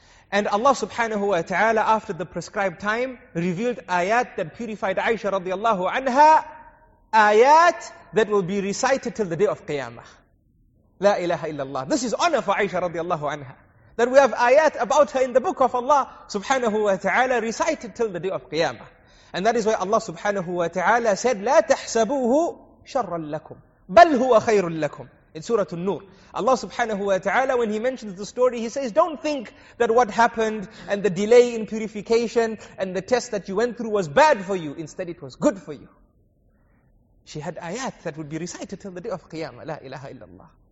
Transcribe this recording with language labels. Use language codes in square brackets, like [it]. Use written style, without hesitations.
[en] And Allah subhanahu wa ta'ala, after the prescribed time, revealed ayat that purified Aisha radiallahu anha, ayat that will be recited till the day of Qiyamah. La ilaha illallah. This is honor for Aisha radiallahu anha. That we have ayat about her in the book of Allah subhanahu wa ta'ala recited till the day of Qiyamah. And that is why Allah subhanahu wa ta'ala said, [ar] لا تحسبوه شرا لكم بل هو خير لكم. [en] In Surah Noor, Allah subhanahu wa ta'ala, when he mentions the story, he says, don't think that what happened and the delay in purification and the test that you went through was bad for you. Instead, it was good for you. She had ayat that would be recited till the day of Qiyamah. La ilaha illallah.